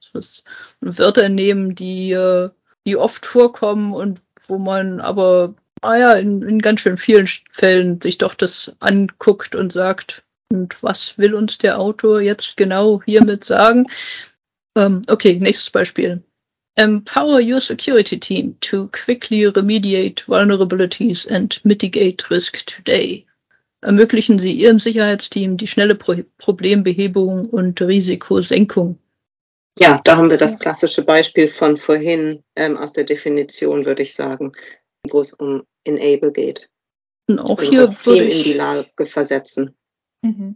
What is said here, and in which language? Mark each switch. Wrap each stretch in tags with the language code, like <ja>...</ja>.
<de>Das sind Wörter nehmen, die oft vorkommen und wo man aber in ganz schön vielen Fällen sich doch das anguckt und sagt, und was will uns der Autor jetzt genau hiermit sagen? Okay, nächstes Beispiel.</de> <en>Empower your security team to quickly remediate vulnerabilities and mitigate risk today.</en> <de>Ermöglichen Sie Ihrem Sicherheitsteam die schnelle Problembehebung und Risikosenkung. Ja, da haben wir das klassische Beispiel von vorhin aus der Definition, würde ich sagen, wo es um enable geht. Und auch hier würde ich in die Lage versetzen. Mhm.</de>